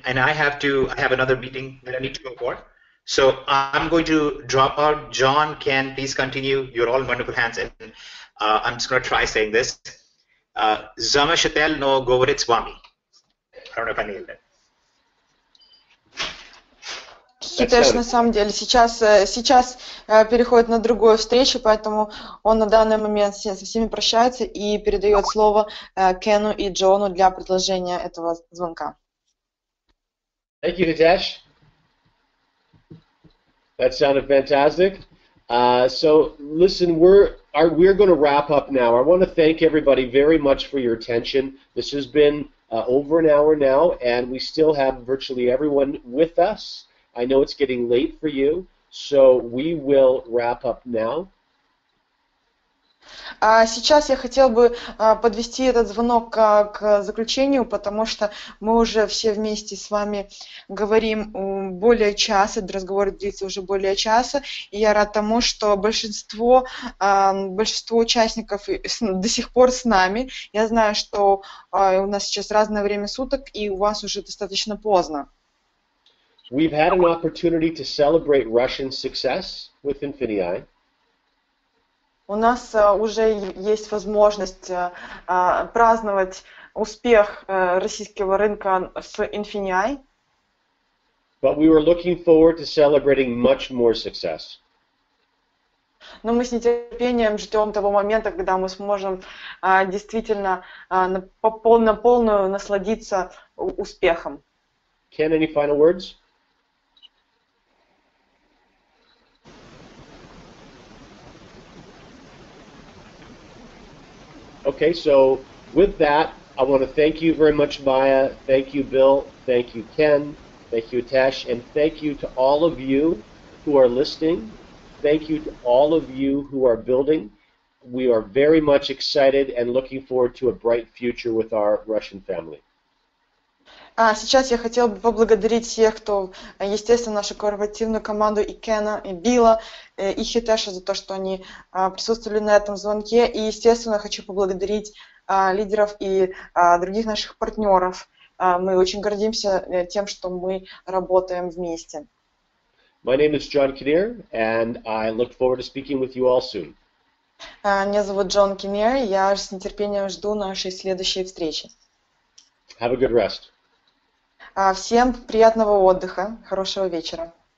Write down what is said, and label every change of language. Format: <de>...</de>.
<en>and I have another meeting that I need to go for. So I'm going to drop out. John, Ken, please continue. You're all in wonderful hands. And I'm just going to try saying this.</en> <ru>Zama Shatel no Govorit Swami.</ru> <en>I don't know if I nailed it.</en> <ru>Хитеш на самом деле сейчас переходит на другую встречу, поэтому он на данный момент со всеми прощается и передает слово Кену и Джону для продолжения этого звонка.</ru> <en>Thank you, Хитеш. That sounded fantastic. So listen, we're going to wrap up now. I want to thank everybody very much for your attention. This has been over an hour now, and we still have virtually everyone with us. I know it's getting late for you, so we will wrap up now.</en> <ru>Сейчас я хотел бы подвести этот звонок к заключению, потому что мы уже все вместе с вами говорим более часа, разговор длится уже более часа, и я рад тому, что большинство участников до сих пор с нами. Я знаю, что у нас сейчас разное время суток, и у вас уже достаточно поздно.</ru> <en>We've had an opportunity to celebrate Russian success with Infinii.</en> <ru>У нас уже есть возможность праздновать успех российского рынка с Infinii.</ru> <en>But we were looking forward to celebrating much more success.</en> <ru>Но мы с нетерпением ждем того момента, когда мы сможем действительно на полную насладиться успехом.</ru> <en>Ken, any final words? Okay, so with that, I want to thank you very much, Maya. Thank you, Bill. Thank you, Ken. Thank you, Tesh. And thank you to all of you who are listening. Thank you to all of you who are building. We are very much excited and looking forward to a bright future with our Russian family.</en> <ru>Сейчас я хотел бы поблагодарить всех, кто, естественно, нашу корпоративную команду и Кена, и Билла, и Хитеша за то, что они присутствовали на этом звонке. И, естественно, хочу поблагодарить лидеров и других наших партнеров. Мы очень гордимся тем, что мы работаем вместе.</ru> <en>My name is John Kinnear, and I look forward to speaking with you all soon.</en> <ru>Меня зовут Джон Кинер, я с нетерпением жду нашей следующей встречи.</ru> <en>Have a good rest.</en> <ru>Всем приятного отдыха, хорошего вечера.</ru>